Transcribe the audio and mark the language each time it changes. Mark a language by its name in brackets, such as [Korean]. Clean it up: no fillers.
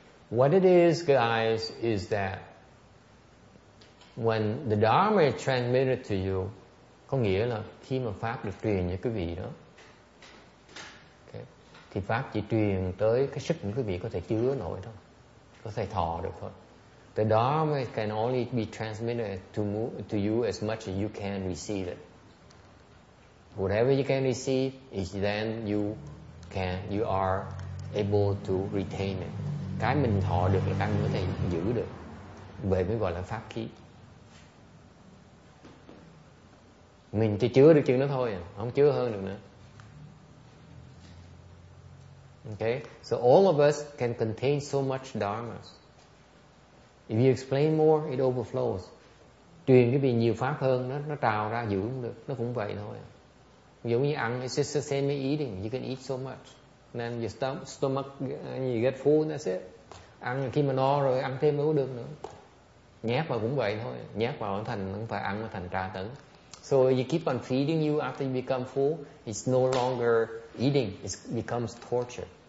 [English] What it is, guys, is that when the Dharma is transmitted to you, [Vietnamese] có nghĩa là khi mà pháp được truyền cho quý vị đó, okay, thì pháp chỉ truyền tới cái sức của quý vị có thể chứa nổi thôi, có thể thọ được thôi. [English] The Dharma can only be transmitted to you as much as you can receive it. Whatever you can receive is then you are able to retain it. [Vietnamese] Cái mình thọ được là cái mình có thể giữ được. Vậy mới gọi là pháp khí. Mình chỉ chứa được chừng đó thôi à, không chứa hơn được nữa. [English] Okay, so all of us can contain so much Dharma. If you explain more, it overflows. [Vietnamese] Truyền cái gì nhiều pháp hơn, nó trào ra giữ cũng được. Nó cũng vậy thôi. Giống như ăn, [English] it's just the same eating. You can eat so much. Then your stomach, you get full, that's it. [Vietnamese] Ăn khi mà no rồi, ăn thêm mới được nữa. Nhét vào cũng vậy thôi. Nhét vào nó thành, không phải ăn mà thành tra tấn. [English] So you keep on feeding you after you become full, it's no longer eating, it becomes torture.